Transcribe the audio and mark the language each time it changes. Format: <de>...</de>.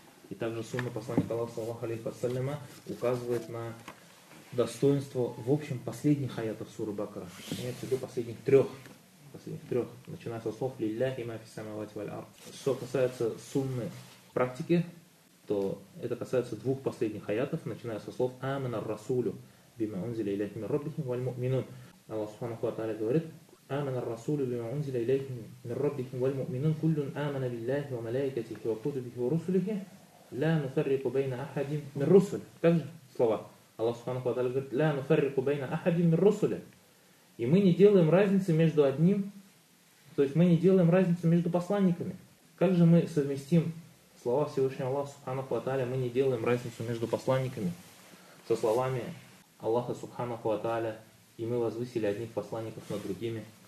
<ru>И также сунна посланника Аллаха, саллаллаху алейхи ва саллима, указывает на достоинство, в общем, последних аятов суры Бакара. Имеется в виду последних трех. Последних трех. Начиная со слов «Лилляхи ма фиссамавати валь ард». Что касается сунны практики, то это касается двух последних аятов, начиная со слов «Амана расулю бима унзиля илляхи мин роббихим валь му'минун». Аллах Субханаху ва Тааля говорит:</ru> <ar>«آمن الرسول بما أنزل إليه من ربه والمؤمنون كل آمن بالله وملائكته وكتبه ورسله لا نفرق بين أحد من رسله».</ar> <ru>Как же слова? Аллах Субханаху ва Тааля говорит:</ru> <ar>«لا نفرق بين أحد من رسله».</ar> <ru>И мы не делаем разницы между одним, то есть мы не делаем разницы между посланниками. Как же мы совместим слова Всевышнего Аллаха Субханаху ва Тааля, мы не делаем разницу между посланниками, со словами Аллаха Субханаху ва Тааля: «И мы возвысили одних посланников над другими».</ru>